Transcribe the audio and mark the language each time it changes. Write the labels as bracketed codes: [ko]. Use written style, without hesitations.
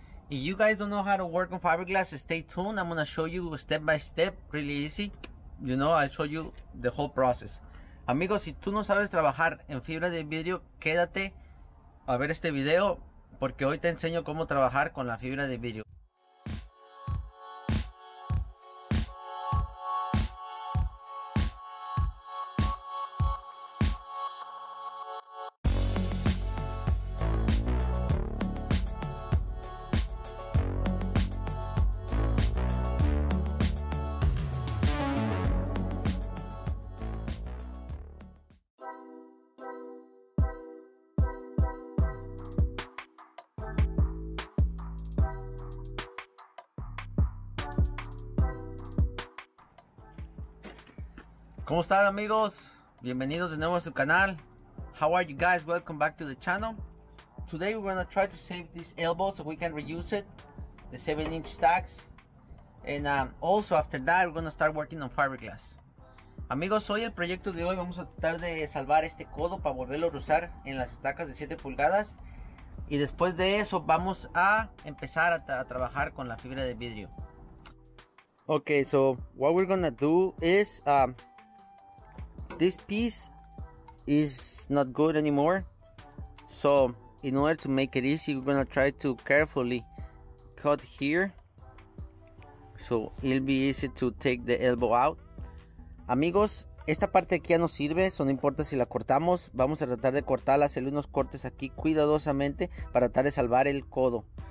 [en] If you guys don't know how to work on fiberglass, stay tuned. I'm gonna show you step by step, really easy. You know, I'll show you the whole process. [es] Amigos, si tú no sabes trabajar en fibra de vidrio, quédate a ver este video porque hoy te enseño cómo trabajar con la fibra de vidrio. ¿Cómo están, amigos? Bienvenidos de nuevo a su canal. [en] How are you guys? Welcome back to the channel. Today we're gonna try to save this elbow so we can reuse it, the 7-inch stacks. And also after that we're gonna start working on fiberglass. [es] Amigos, hoy el proyecto de hoy vamos a tratar de salvar este codo para volverlo a usar en las estacas de 7 pulgadas. Y después de eso vamos a empezar a trabajar con la fibra de vidrio. [en] Okay, so what we're gonna do is this piece is not good anymore, so in order to make it easy, we're gonna try to carefully cut here so it'll be easy to take the elbow out. [es] Amigos, esta parte aquí ya no sirve, so no importa si la cortamos. Vamos a tratar de cortarla, hacerle unos cortes aquí cuidadosamente para tratar de salvar el codo.